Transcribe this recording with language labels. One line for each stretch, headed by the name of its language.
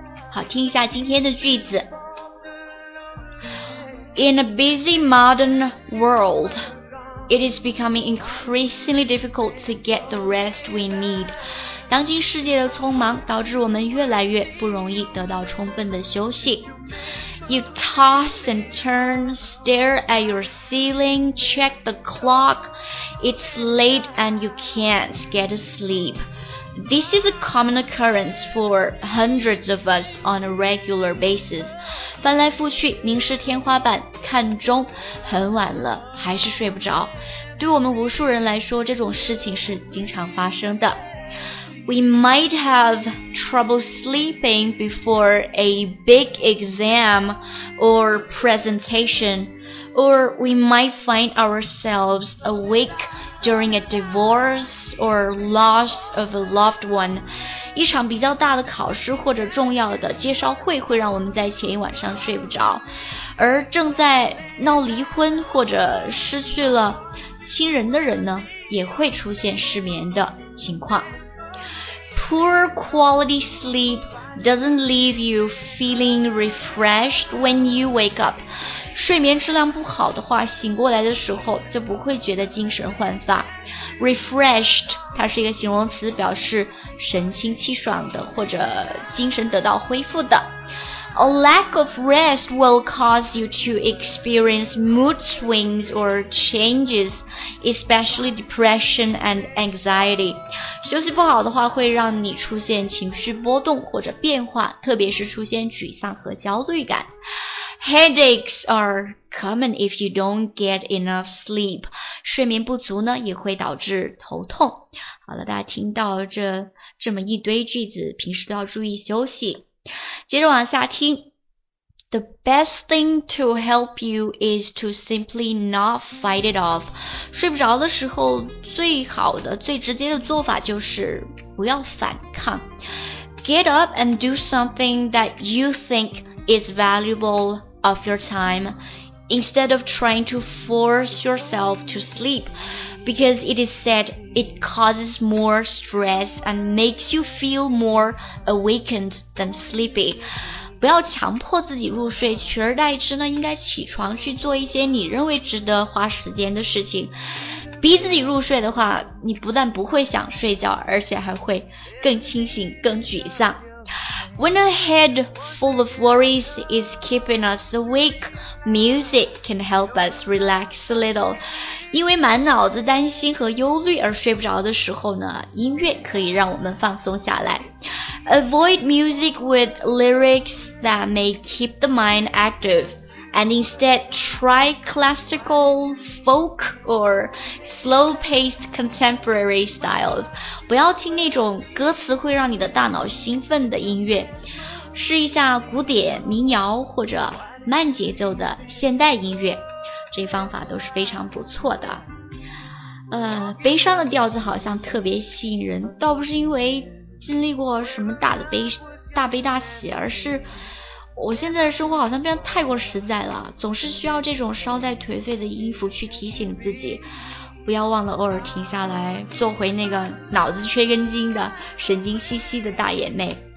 Chinese: 好，听一下今天的句子。
English: In a busy modern world, it is becoming increasingly difficult to get the rest we need.
Chinese: 当今世界的匆忙导致我们越来越不容易得到充分的休息。
English: You toss and turn, stare at your ceiling, check the clock. It's late and you can't get a sleep. This is a common occurrence for hundreds of us on a regular basis.
Chinese: 翻来覆去，凝视天花板，看钟，很晚了，还是睡不着。对我们无数人来说，这种事情是经常发生的。
English: We might have trouble sleeping before a big exam or presentation, or we might find ourselves awake during a divorce or loss of a loved one.
Chinese: 一场比较大的考试或者重要的介绍会会让我们在前一晚上睡不着，而正在闹离婚或者失去了亲人的人呢，也会出现失眠的情况。
English: Poor quality sleep doesn't leave you feeling refreshed when you wake up.
Chinese: 睡眠质量不好的话，醒过来的时候就不会觉得精神焕发。
English: Refreshed,
Chinese: 它是一个形容词，表示神清气爽的，或者精神得到恢复的。
English: A lack of rest will cause you to experience mood swings or changes, especially depression and anxiety.
Chinese: 休息不好的话会让你出现情绪波动或者变化，特别是出现沮丧和焦虑感。
English: Headaches are common if you don't get enough sleep.
Chinese: 睡眠不足呢也会导致头痛。好了，大家听到这么一堆句子，平时都要注意休息。接着往下听。
English: The best thing to help you is to simply not fight it off.
Chinese: 睡不着的时候最好的最直接的做法就是不要反抗。
English: Get up and do something that you think is valuable of your time instead of trying to force yourself to sleep. Because it is said it causes more stress and makes you feel more awakened than sleepy.
Chinese: 不要强迫自己入睡，取而代之呢，应该起床去做一些你认为值得花时间的事情。逼自己入睡的话，你不但不会想睡觉，而且还会更清醒，更沮丧。
English: When a head full of worries is keeping us awake, music can help us relax a little.
Chinese: 因为满脑子担心和忧虑而睡不着的时候呢，音乐可以让我们放松下来。
English: Avoid music with lyrics that may keep the mind active, and instead try classical folk or slow-paced contemporary styles.
Chinese: 不要听那种歌词会让你的大脑兴奋的音乐，试一下古典、民谣或者慢节奏的现代音乐，这方法都是非常不错的。悲伤的调子好像特别吸引人，倒不是因为经历过什么大悲大喜，而是我现在的生活好像变得太过实在了，总是需要这种烧在颓废的音符去提醒自己，不要忘了偶尔停下来，做回那个脑子缺根筋的神经兮兮的大眼妹。